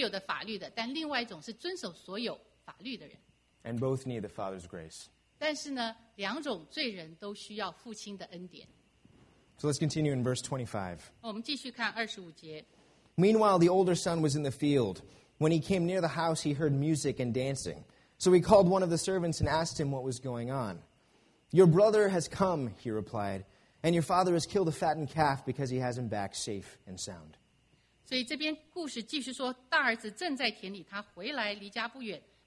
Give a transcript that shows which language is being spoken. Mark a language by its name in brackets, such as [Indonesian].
[Chinese] 有一种罪人是呢，就是破坏所有的规律的，有所有的法律的，但另外一种是遵守所有。 [English] And both need the Father's grace. [Chinese] 但是呢，两种罪人都需要父亲的恩典。 [English] So let's continue in verse 25. [Chinese] 我们继续看25节。 [English] Meanwhile, the older son was in the field. When he came near the house, he heard music and dancing. So he called one of the servants and asked him what was going on. "Your brother has come," he replied, "and your father has killed a fattened calf because he has him back safe and sound." [Chinese] 所以这边故事继续说，大儿子正在田里，他回来离家不远。